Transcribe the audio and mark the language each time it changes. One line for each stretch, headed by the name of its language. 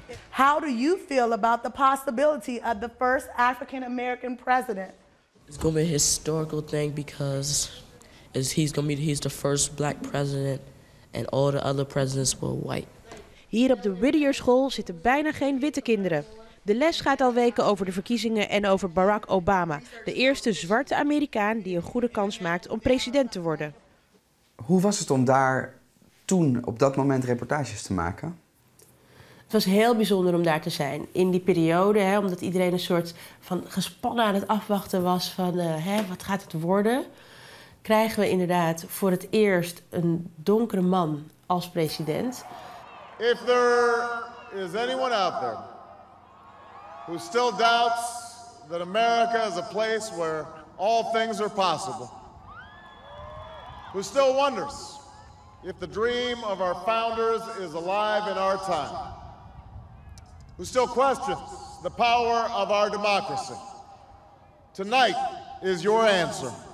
English: How do you feel about the possibility of the first African-American president? It's going to be a historical thing because he's going to be the first black president and all the other presidents were white.
Dutch: Hier op de Whittier School zitten bijna geen witte kinderen. De les gaat al weken over de verkiezingen en over Barack Obama, de eerste zwarte Amerikaan die een goede kans maakt om president te worden. Hoe was het om daar toen op dat moment reportages te maken? Het was heel bijzonder om daar te zijn in die periode, hè, omdat iedereen een soort van gespannen aan het afwachten was van wat gaat het worden. Krijgen we inderdaad voor het eerst een donkere man als president.
English: If there is anyone out there who still doubts that America is a place where all things are possible, who still wonders if the dream of our founders is alive in our time, who still questions the power of our democracy, tonight is your answer.